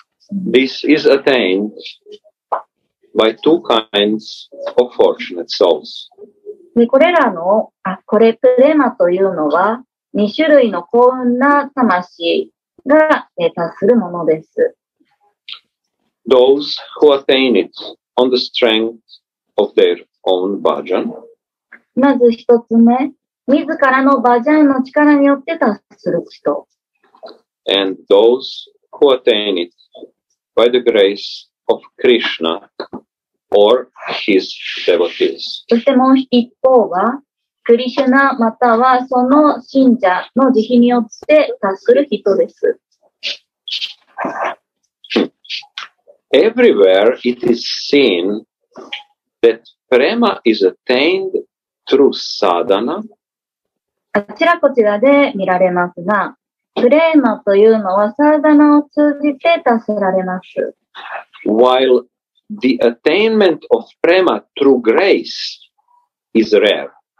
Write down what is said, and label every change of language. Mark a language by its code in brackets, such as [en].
[en] This is attained by two kinds of fortunate souls. [ja] で、これらの、あ、これ、プレマというのは、2種類の幸運な魂が達するものです。 [en] Those who attain it on the strength of their own bhajan. [ja] まず一つ目、自らのバジャンの力によって達する人。 [en] And those who attain itby the grace of Krishna or his devotees. [ja] そしてもう一方は、クリシュナまたはその信者の慈悲によって達する人です。 [en] Everywhere it is seen that prema is attained through sadhana. [ja] あちらこちらで見られますが、プレーマというのはサーダナを通じて達せられます。 [en] While the attainment of prema through grace is rare.